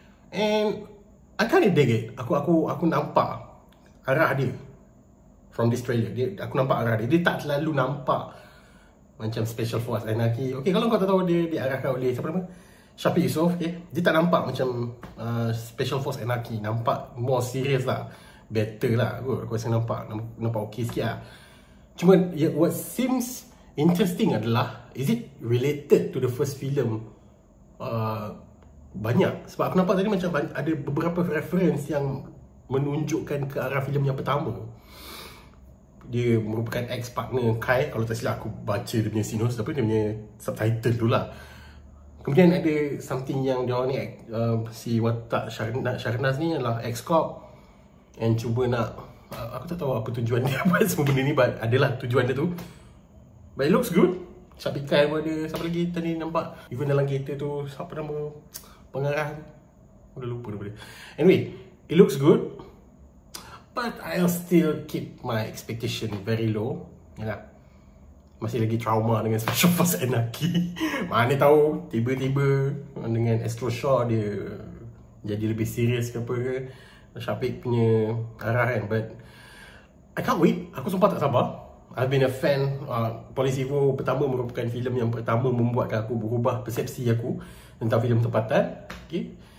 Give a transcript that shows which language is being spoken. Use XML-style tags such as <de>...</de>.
<ms>And I kind of dig it. Aku nampak arah dia from this trailer. Aku nampak arah dia. Dia tak terlalu nampak macam Special Force Anarchy. Okay, kalau kau tak tahu, dia diarahkan oleh siapa nama? Shafiq Yusof, okay. Dia tak nampak macam Special Force Anarchy. Nampak more serious lah, better lah. Aku rasa nampak okay sikit lah.</ms> <en>Cuma yeah, what seems interesting adalah, is it related to the first film?</en> <ms>Banyak. Sebab aku nampak tadi macam ada beberapa reference yang menunjukkan ke arah filem yang pertama. Dia merupakan ex-partner Kai. Kalau tak silap aku baca dia punya sinus, tapi dia punya subtitle tu lah. Kemudian ada something yang dia orang ni, si watak Sharnaz ni adalah ex-cop and cuba nak, aku tak tahu apa tujuan dia buat semua benda ni, but adalah tujuan dia tu. But it looks good. Siapa ikan yang ada, siapa lagi tadi nampak even dalam kereta tu, siapa nama pengarah tu, dah lupa daripada.</ms> <en>Anyway, it looks good, but I'll still keep my expectation very low.</en> <ms>Yalah, masih lagi trauma dengan Special Force Anarchy. Mana tahu tiba-tiba dengan Astro Shaw dia jadi lebih serius ke apa ke, Syafiq punya arah kan.</ms> <en>But I can't wait. Aku sumpah tak sabar. I've been a fan.</en> <ms>Police Evo pertama merupakan filem yang pertama membuatkan aku berubah persepsi aku tentang filem tempatan. Okay.</ms>